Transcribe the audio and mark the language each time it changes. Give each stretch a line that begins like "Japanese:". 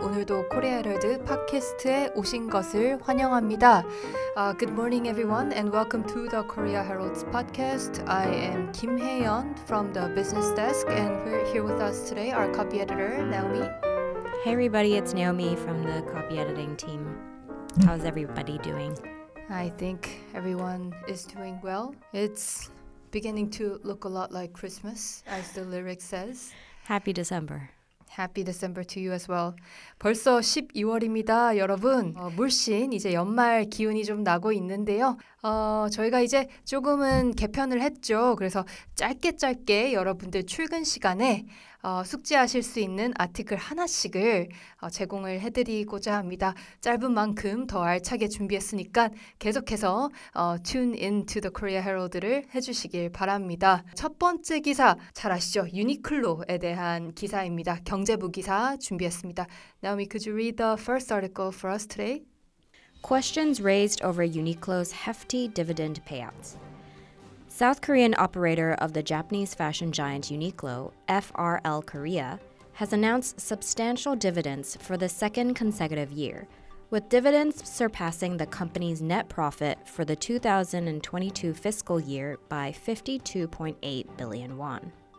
Korean: 오늘도 코리아 헤럴드 팟캐스트에 오신 것을 환영합니다.
English: Good morning everyone and welcome to the Korea Herald's podcast. I am Kim Hae-yeon from the business desk and we're here with us today our copy editor, Naomi. Hey everybody, it's Naomi from the copy editing team. How's everybody doing? I think everyone is doing well. It's beginning to look a lot like Christmas, as the lyric says. Happy December. Happy December to you as well.
Korean: 벌써 12월입니다, 여러분. 물씬 이제 연말 기운이 좀 나고 있는데요. 저희가 이제 조금은 개편을 했죠. 그래서 짧게 여러분들 출근 시간에 숙지하실 수 있는 아티클 하나씩을 제공을 해드리고자 합니다. 짧은 만큼 더 알차게 준비했으니까 계속해서
English: tune in to the Korea Herald
Korean: 를 해주시길 바랍니다. 첫 번째 기사 잘 아시죠? 유니클로에 대한 기사입니다. 경제부 기사 준비했습니다.
English: Naomi, could you read the first article for us today? Questions raised over Uniqlo's hefty dividend payouts. South Korean operator of the Japanese fashion giant Uniqlo, FRL Korea, has announced substantial dividends for the second consecutive year, with dividends surpassing the company's net profit for the 2022 fiscal year by 52.8 billion won.